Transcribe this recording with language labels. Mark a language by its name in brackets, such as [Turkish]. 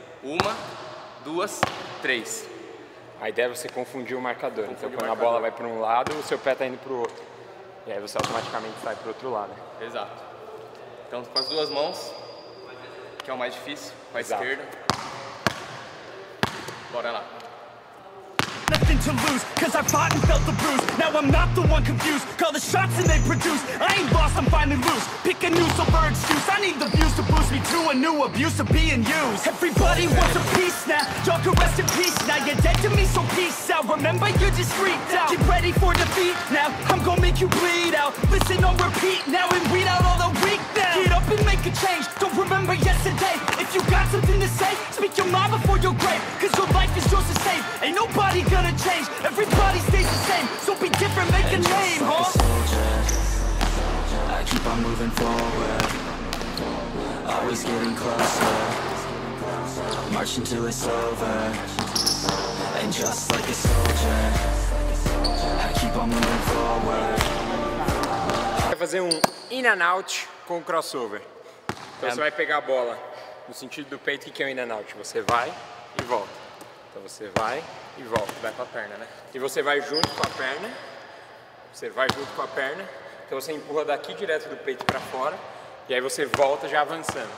[Portuguese] Uma, duas, três. A ideia é você confundir o marcador. Confundir então quando marcador. A bola vai para um lado, o seu pé tá indo pro outro. E aí você automaticamente sai pro outro lado. Exato. Então com as duas mãos, que é o mais difícil, com a esquerda. Bora lá. [English] To lose, cause I fought and felt the bruise. Now I'm not the one confused. Call the shots and they produce. I ain't lost, I'm finally loose. Pick a new silver excuse. I need the views to boost me to a new abuse of being used. Everybody wants a peace now. Y'all can rest in peace now. You're dead to me, so peace out. Remember, you just freaked out. Keep ready for defeat now. I'm gonna make you bleed out. Listen on repeat now and weed out all the weak now. Get up and make a change. Don't remember yesterday. If you got something to say, speak your mind before your grave. Cause your life is yours to save. Ain't nobody gonna change. Everybody stays the same, so be different, make a name, huh? Soldier, I keep on moving forward, always getting closer, marching till it's over. And just like a soldier, I keep on moving forward. [Portuguese] Vai fazer um in and out com o crossover. Então você vai pegar a bola no sentido do peito, que é o in and out. Você vai e volta. Então você vai e volta, vai com a perna, né? E você vai junto com a perna. Você vai junto com a perna. Então você empurra daqui direto do peito pra fora. E aí você volta já avançando.